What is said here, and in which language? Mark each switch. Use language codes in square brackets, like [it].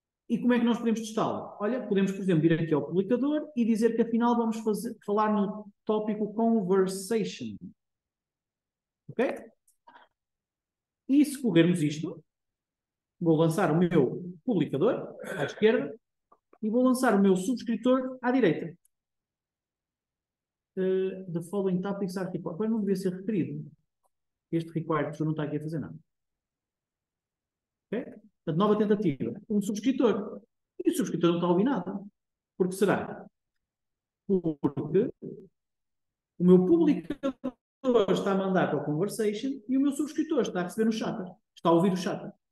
[pt] E como é que nós podemos testá-lo? Olha, podemos, por exemplo, vir aqui ao publicador e dizer que afinal vamos falar no tópico conversation. Ok? E se corrermos isto, vou lançar o meu publicador à esquerda e vou lançar o meu subscritor à direita. [en] The following topics are required. [pt] Agora não devia ser requerido. Este required não está aqui a fazer nada. Ok? A nova tentativa, um subscritor. E o subscritor não está a ouvir nada. Porque será? Porque o meu publicador está a mandar para o conversation e o meu subscritor está a receber no chatter. Está a ouvir o chatter.